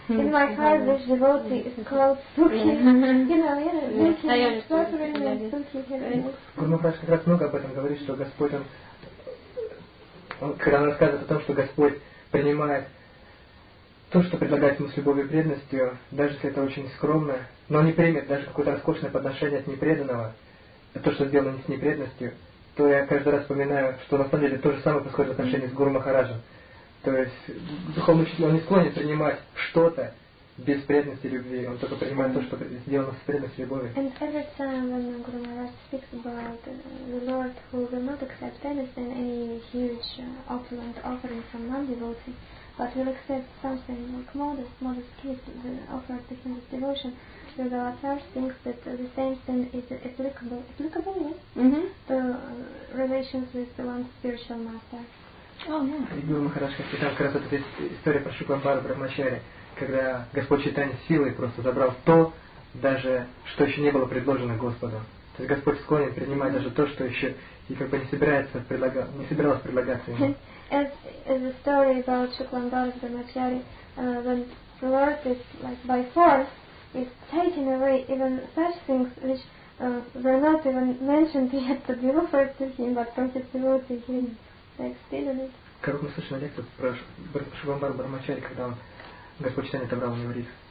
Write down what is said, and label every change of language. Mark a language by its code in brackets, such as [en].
[en] In my heart, this devotee is called Suki. [ru] Гуру Махарадж как раз много об этом говорит, что Господь, он когда он рассказывает о том, что Господь принимает то, что предлагает ему с любовью и преданностью, даже если это очень скромно, но не примет даже какое-то роскошное подношение от непреданного, то, что сделано с непреданностью, то я каждый раз вспоминаю, что на самом деле то же самое происходит в отношении с Гуру Махараджем. То есть духовный учитель, он не склонен принимать что-то без преданности любви, он только принимает то, что сделано с преданностью любовью. [en] And every time when Guru speaks about the Lord who will not accept anything, any huge opulent offering from non-devotee, but will accept something like modest gift offered to him with devotion, the Lord thinks that the same thing is applicable, yes? The relations with the one spiritual master. [ru] И Гуру Махарадж, как там как раз эта история про Шукамбару Брахмачари, когда Господь Чайтанья силой просто забрал то, даже что еще не было предложено Господу. То есть Господь склонен принимать даже то, что еще и как бы не собирается предлагать, не собиралось предлагаться ему. [en] As the story about Shukambara Brahmachari, when the Lord is like by force is taking away even such things which were not even mentioned yet to be offered to him, but from his devotee he like stealing it. [ru] Как мы слышали лекцию про Шукамбару Брахмачари, когда он Господь Чайтанья отобрал у него рис,